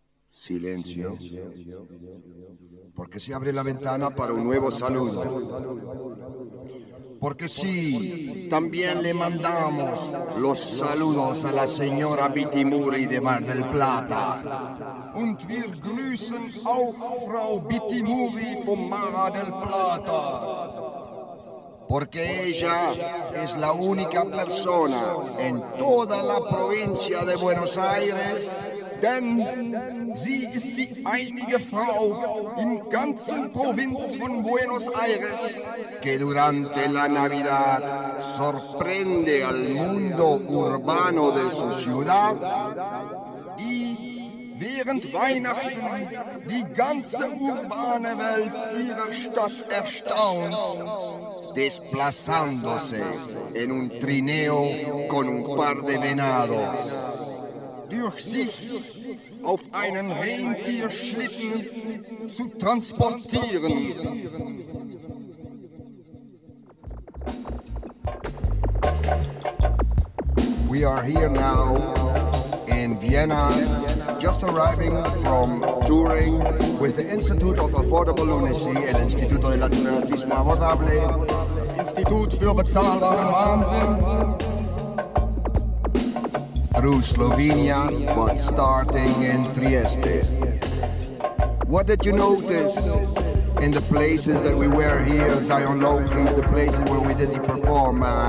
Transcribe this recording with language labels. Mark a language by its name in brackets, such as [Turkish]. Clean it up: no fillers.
[Spanish] Silencio, porque se abre la ventana para un nuevo saludo. Porque sí, también le mandamos los saludos a la señora Vitimuri de Mar del Plata. [German] und wir grüßen auch Frau Bittimuri vom Mar del Plata. [Spanish] Porque ella es la única persona en toda la provincia de Buenos Aires. [German] Denn sie ist die einzige Frau im ganzen Provinz von Buenos Aires, [Spanish] que durante la Navidad sorprende al mundo urbano de su ciudad, [German] die während Weihnachten die ganze urbane Welt ihrer Stadt erstaunt, [Spanish] desplazándose en un trineo con un par de venados. [German] Durch sich auf einen Rentierschlitten zu transportieren. [English] We are here now in Vienna, just arriving from touring with the Institute of Affordable Lunacy, el Instituto del Alternatismo Abordable, [German] das Institut für bezahlbaren Wahnsinn. [English] Through Slovenia, but starting in Trieste. What did you notice in the places that we were here, Zion Locris, the places where we didn't perform?